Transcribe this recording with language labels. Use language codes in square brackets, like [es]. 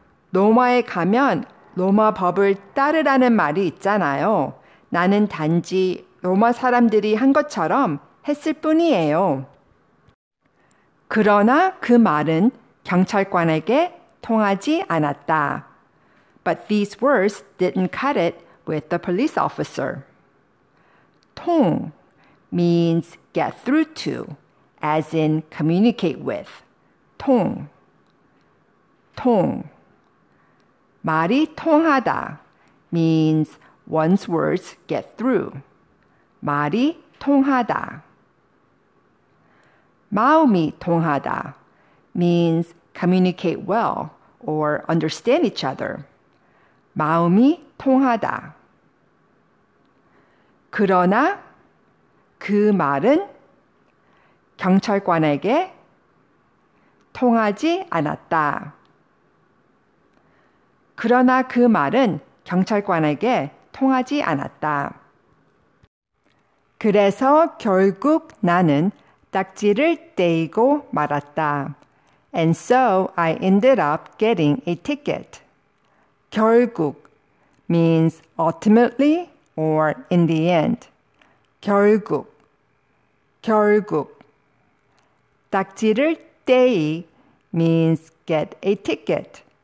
[ko] 로마에 가면 로마법을 따르라는 말이 있잖아요. 나는 단지 로마 사람들이 한 것처럼 했을 뿐이에요. 그러나 그 말은 경찰관에게 통하지 않았다. [en] But these words didn't cut it with the police officer. 통 means get through to, as in communicate with. 통. 통. [ko] 말이 통하다 [en] means one's words get through. [ko] 말이 통하다. 마음이 통하다 [en] means communicate well or understand each other. [ko] 마음이 통하다. 그러나 그 말은 경찰관에게 통하지 않았다. 그러나 그 말은 경찰관에게 통하지 않았다. 그래서 결국 나는 딱지를 떼이고 말았다. [en] And so I ended up getting a ticket. 결국 means ultimately or in the end. [ko] 결국, 결국. 딱지를 떼이 [en] means get a ticket.